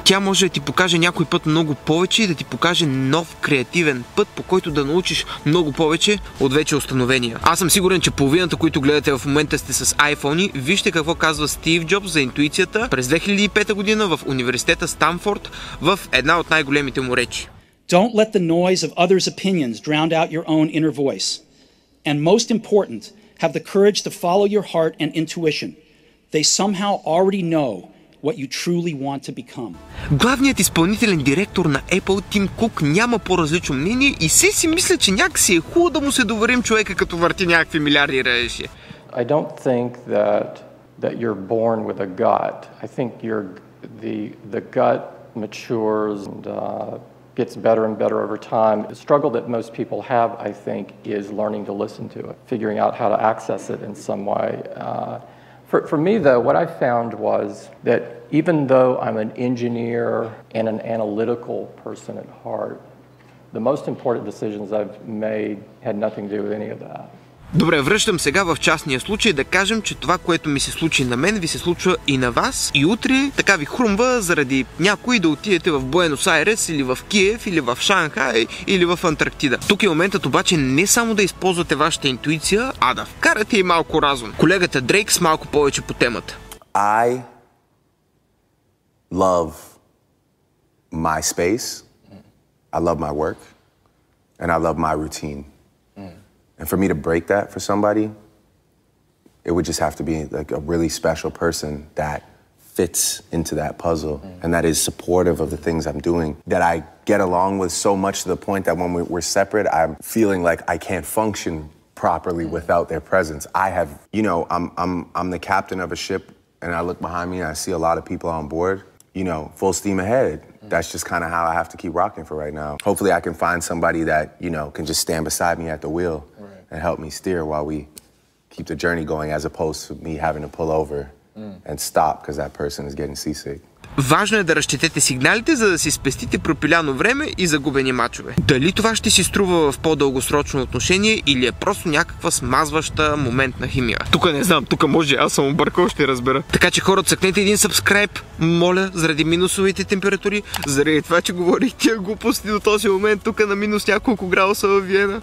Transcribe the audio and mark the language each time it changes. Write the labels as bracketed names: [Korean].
[Bulgarian] Тя може да ти покаже някой път много повече и да ти покаже нов креативен път, по който да научиш много повече от вече установения. Аз съм сигурен, че половината, които гледате в момента, сте с iPhone-и. Вижте какво казва Стив Джобс за интуицията през 2005 година в университета Станфорд в една от най-големите му речи. [English] Don't let the noise of others' opinions drown out your own inner voice. And most important, have the courage to follow your heart and intuition. They somehow already know what you truly want to become. [Bulgarian] Главният изпълнителен директор на Apple, Тим Кук, няма по-различно мнение и все си мисля, че някакси е хубаво да му се доверим човека, като върти някакви милиарди реши. [English] I don't think that you're born with a gut. I think you're the gut matures and gets better and better over time. The struggle that most people have, I think, is learning to listen to it, figuring out how to access it in some way. For me, though, what I found was that even though I'm an engineer and an analytical person at heart, the most important decisions I've made had nothing to do with any of that. [Bulgarian] Добре, връщам сега в частния случай да кажем, че това, което ми се случи на мен, ви се случва и на вас и утре така ви хрумва заради някой да отидете в Буенос Айрес или в Киев или в Шанхай или в Антарктида. Тук е моментът обаче не само да използвате вашата интуиция, а да вкарате и малко разум. Колегата Дрейк с малко повече по темата. [English] I love my space, I love my work and I love my routine. And for me to break that for somebody, it would just have to be like a really special person that fits into that puzzle and that is supportive of the things I'm doing, that I get along with so much to the point that when we're separate, I'm feeling like I can't function properly without their presence. I have, you know, I'm the captain of a ship and I look behind me and I see a lot of people on board, you know, full steam ahead. That's just kind of how I have to keep rocking for right now. Hopefully I can find somebody that, you know, can just stand beside me at the wheel. And help me steer while we keep the journey going, as opposed to me having to pull over and stop because that person is getting seasick. [Bulgarian] Важно е да разчетете сигналите, за да си спестите пропиляно време и загубени мачове. Дали това ще си струва в по-дългосрочно отношение или е просто някаква смазваща моментна химия? Тук не знам, тук може, аз съм объркал, ще разбера. Така че хора, цъкнете един subscribe, моля, заради минусовите температури, заради това, че говорих тия глупости до този момент, тук на минус няколко градуса в Виена.